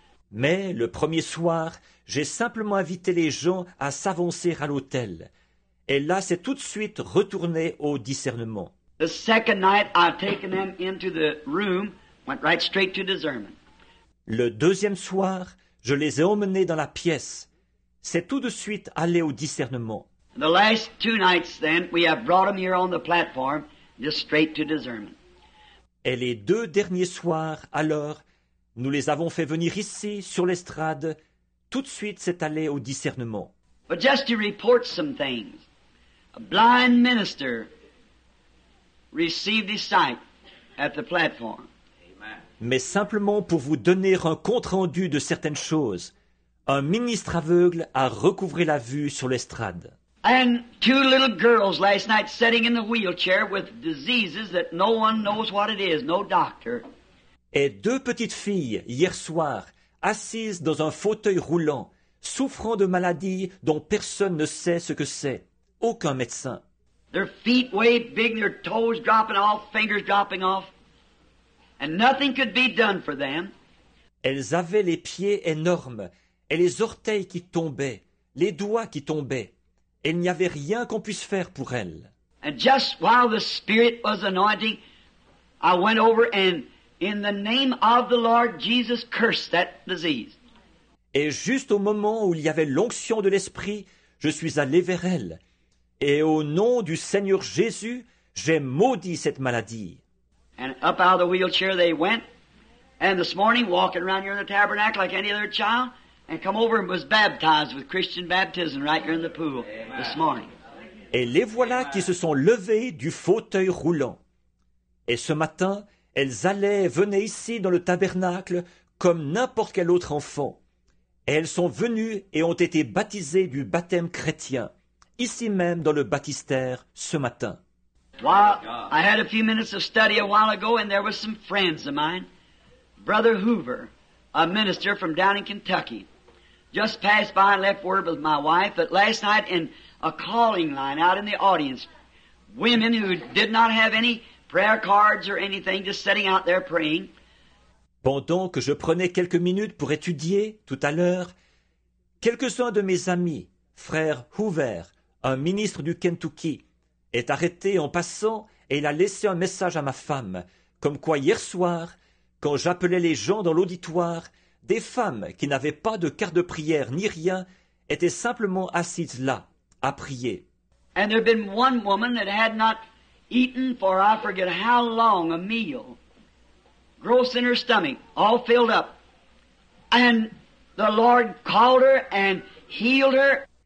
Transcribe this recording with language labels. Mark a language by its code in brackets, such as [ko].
[fr] Mais le premier soir, j'ai simplement invité les gens à s'avancer à l'autel. Et là, c'est tout de suite retourné au discernement. [en] The second night, I've taken them into the room, went right straight to discernment. [fr] Le deuxième soir, je les ai emmenés dans la pièce. C'est tout de suite allé au discernement. [en] The last two nights, then, we have brought them here on the platform, just straight to discernment. [fr] Et les deux derniers soirs, alors, nous les avons fait venir ici, sur l'estrade. Tout de suite, c'est allé au discernement. [en] But just to report some things. A blind minister received his sight at the platform. Amen. [fr] Mais simplement pour vous donner un compte-rendu de certaines choses. Un ministre aveugle a recouvré la vue sur l'estrade. [en] And two little girls last night sitting in the wheelchair with diseases that no one knows what it is, no doctor. [fr] Et deux petites filles, hier soir, assises dans un fauteuil roulant, souffrant de maladies dont personne ne sait ce que c'est. Aucun médecin. [en] Their feet way big, their toes dropping off, fingers dropping off. And nothing could be done for them. [fr] Elles avaient les pieds énormes et les orteils qui tombaient, les doigts qui tombaient. Il n'y avait rien qu'on puisse faire pour elle. [en] And just while the Spirit was anointing, I went over and in the name of the Lord Jesus cursed that disease. [fr] Et juste au moment où il y avait l'onction de l'Esprit, je suis allé vers elle. Et au nom du Seigneur Jésus, j'ai maudit cette maladie. [en] And up out of the wheelchair they went. And this morning, walking around here in the tabernacle like any other child, and come over and was baptized with Christian baptism right here in the pool. Amen. This morning. [fr] Et les voilà. Amen. Qui se sont levées du fauteuil roulant. Et ce matin, elles allaient, venaient ici dans le tabernacle comme n'importe quel autre enfant. Et elles sont venues et ont été baptisées du baptême chrétien, ici même dans le baptistère, ce matin. [en] Well, I had a few minutes of study a while ago and there were some friends of mine, Brother Hoover, a minister from down in Kentucky, just passed by and left word with my wife that last night in a calling line out in the audience, women who did not have any prayer cards or anything, just sitting out there praying. [fr] Pendant que je prenais quelques minutes pour étudier, tout à l'heure, quelques-uns de mes amis, frère Hoover, un ministre du Kentucky, est arrêté en passant et il a laissé un message à ma femme, comme quoi hier soir, quand j'appelais les gens dans l'auditoire, des femmes qui n'avaient pas de carte de prière ni rien étaient simplement assises là, à prier. [en] And there had been one woman that had not eaten for I forget how long a meal. Gross in her stomach, all filled up. And the Lord called her and healed her.